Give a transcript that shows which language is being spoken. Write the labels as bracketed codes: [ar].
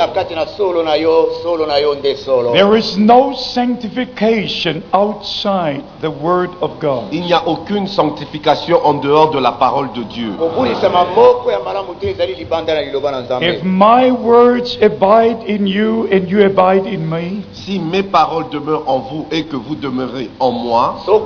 [en] There is no sanctification outside the word of God. [fr] Il n'y a aucune sanctification en dehors de la parole de Dieu. [en] If my words abide in you and you abide in me, [fr] si mes paroles demeurent en vous et que vous demeurez en moi,